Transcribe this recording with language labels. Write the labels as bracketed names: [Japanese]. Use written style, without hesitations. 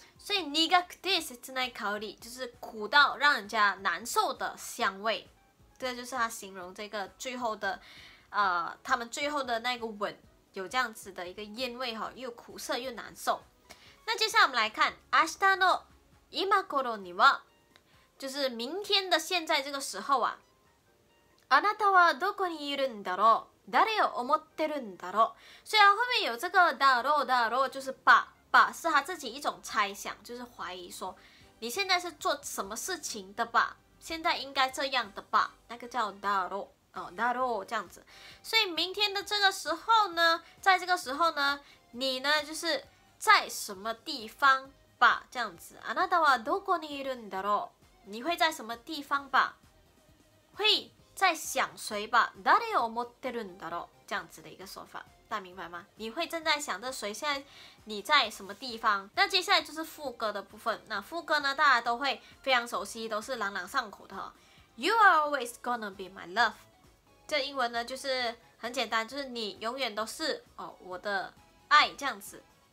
[Chinese] 所以 [Japanese] nigakute setsunai kaori [Chinese] 就是苦到让人家难受的香味，这就是他形容这个最后的他们最后的那个吻有这样子的一个烟味，又苦涩又难受。那接下来我们来看 [Japanese] 明日の今頃には， [Chinese] 就是明天的现在这个时候啊。 [Japanese] あなたはどこにいるんだろう、誰を思ってるんだろう。 [Chinese] 所以后面有这个だろうだろう，就是吧，是他自己一种猜想，就是怀疑说你现在是做什么事情的吧，现在应该这样的吧，那个叫だろう。哦，だろう这样子，所以明天的这个时候呢，在这个时候呢，你呢就是在什么地方吧，这样子。 [Japanese] あなたはどこにいるんだろう？ [Chinese] 你会在什么地方吧？会在想谁吧？ [Japanese] 誰を思ってるんだろう？ [Chinese] 这样子的一个说法，大家明白吗？你会正在想着谁？现在你在什么地方？那接下来就是副歌的部分。那副歌呢，大家都会非常熟悉，都是朗朗上口的。 [English] You are always gonna be my love。 [Chinese] 这英文呢就是很简单，就是你永远都是哦我的爱这样子。